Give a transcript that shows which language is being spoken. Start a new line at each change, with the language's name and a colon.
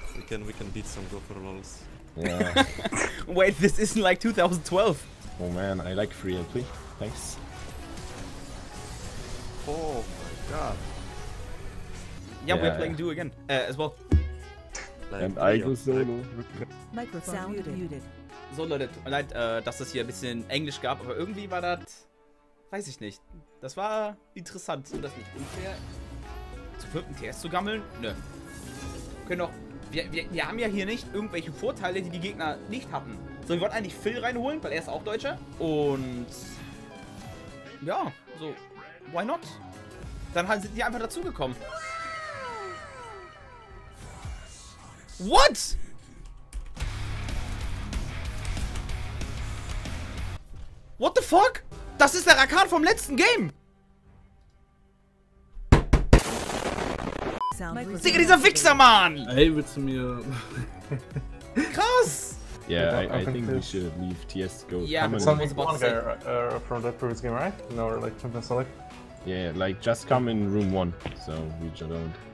English: We can beat some Gopher lols. Yeah. Wait, this isn't like 2012. Oh man, I like free LP. Thanks. Oh my god. Yeah, yeah. We're playing duo again, as well. And I go solo. Microphone muted.
German: So Leute, tut mir leid, dass es hier ein bisschen Englisch gab, aber irgendwie war das, weiß ich nicht. Das war interessant, und das nicht unfair, zu fünften TS zu gammeln? Nö. Können doch, wir haben ja hier nicht irgendwelche Vorteile, die Gegner nicht hatten. So, wir wollten eigentlich Phil reinholen, weil er ist auch Deutscher. Und ja, so,
English: why not?
German: Dann sind die einfach dazugekommen.
English: What? What the fuck?
German: Das ist der Rakan vom letzten Game! Digga, dieser Wichser, Mann! Hey, willst du mir... Krass!
English: Yeah, I think we should leave TS to go. Yeah, something longer from the previous game, right? No, we're like Champions League. Yeah, like just come in room 1, so we just don't...